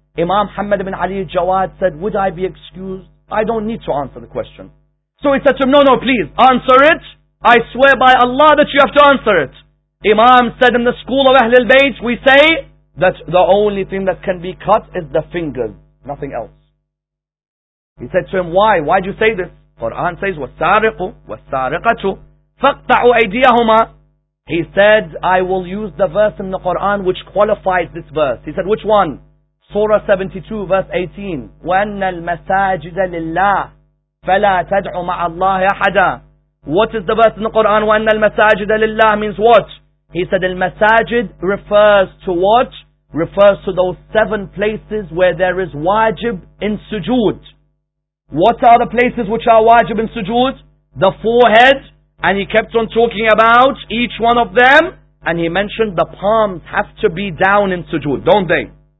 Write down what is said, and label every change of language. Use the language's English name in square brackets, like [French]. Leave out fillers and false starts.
[English] Imam Muhammad ibn Ali al-Jawad said, would I be excused? I don't need to answer the question. So he said to him, no, please, answer it. I swear by Allah that you have to answer it. Imam said, in the school of Ahlul Bayt, we say that the only thing that can be cut is the fingers, nothing else. He said to him, why? Why do you say this? Quran says, [Arabic] وَالسَّارِقُ وَالسَّارِقَةُ فَقْطَعُوا أَيْدِيَهُمَا. [English] He said, I will use the verse in the Quran which qualifies this verse. He said, which one? Surah 72, verse 18. [Arabic] وَأَنَّ الْمَسَاجِدَ لِلَّهِ فَلَا تَدْعُ مَعَ اللَّهِ أَحَدًا. [English] What is the verse in the Quran? [Arabic] وَأَنَّ الْمَسَاجِدَ لِلَّهِ [English] means what? He said, الْمَسَاجِد refers to what? Refers to those 7 places where there is wajib in sujood. What are the places which are wajib in sujood? The forehead. And he kept on talking about each one of them. And he mentioned the palms have to be down in sujood, don't they?